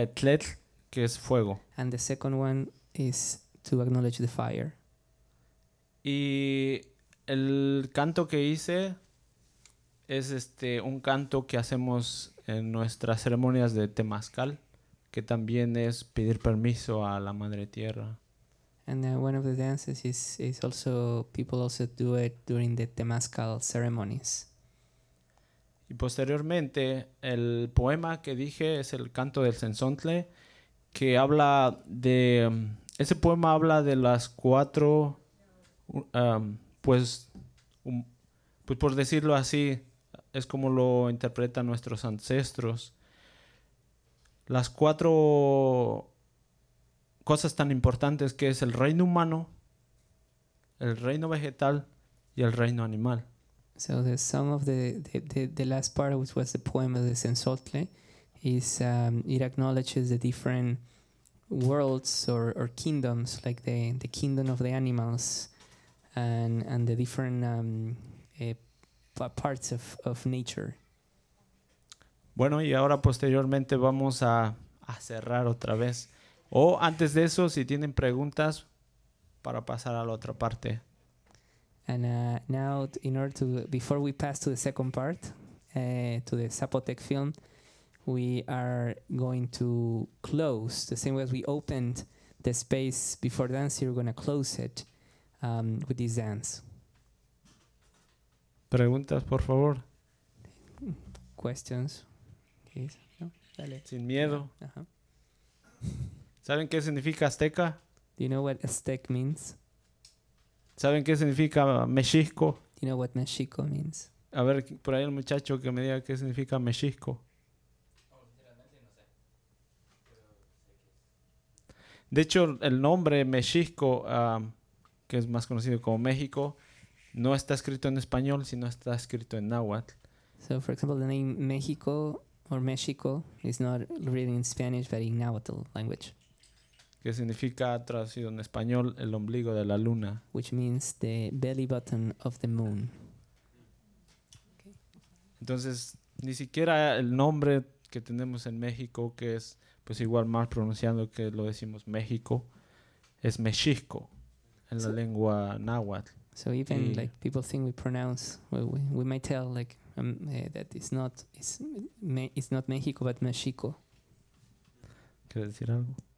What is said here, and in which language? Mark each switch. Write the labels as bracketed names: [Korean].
[Spanish] Tletl, que es fuego. [English] And the second one is to acknowledge the fire. [Spanish] Y el canto que hice es un canto que hacemos en nuestras ceremonias de Temazcal, que también es pedir permiso a la Madre Tierra. [English] And one of the dances is also, people also do it during the Temazcal ceremonies. [Spanish] Y posteriormente, el poema que dije es el Canto del Sensontle, que habla de... Ese poema habla de las cuatro, pues por decirlo así, es como lo interpretan nuestros ancestros, las cuatro cosas tan importantes que es el reino humano, el reino vegetal y el reino animal. [English] So the sum of the last part, which was the poem of the Sensotle, is it acknowledges the different worlds or kingdoms, like the kingdom of the animals and the different parts of nature. [Spanish] Bueno, y ahora posteriormente vamos a cerrar otra vez. O antes de eso, si tienen preguntas, para pasar a la otra parte. [English] And now, in order to, before we pass to the second part, to the Zapotec film, we are going to close, the same way as we opened the space before dancing, we're going to close it with this dance. [Spanish] Preguntas, por favor. [English] Questions. [Spanish] No? Sin miedo. ¿Saben qué significa Azteca? [English] Do you know what Aztec means? [Spanish] ¿Saben qué significa Mexico? [English] Do you know what Mexico means? [Spanish] A ver, por ahí el muchacho que me diga qué significa Mexico. De hecho, el nombre Mexico, que es más conocido como México, no está escrito en español, sino está escrito en náhuatl. [English] So, for example, the name México or México is not written in Spanish, but in náhuatl language. [Spanish] Que significa, traducido en español, el ombligo de la luna. [English] Which means the belly button of the moon. [Spanish] Entonces, ni siquiera el nombre que tenemos en México, que es pues igual mal pronunciando que lo decimos México, es Mexico en la lengua náhuatl. [English] So even like people think we pronounce, we might tell like that it's not México, but Mexico. [Spanish] ¿Quieres decir algo?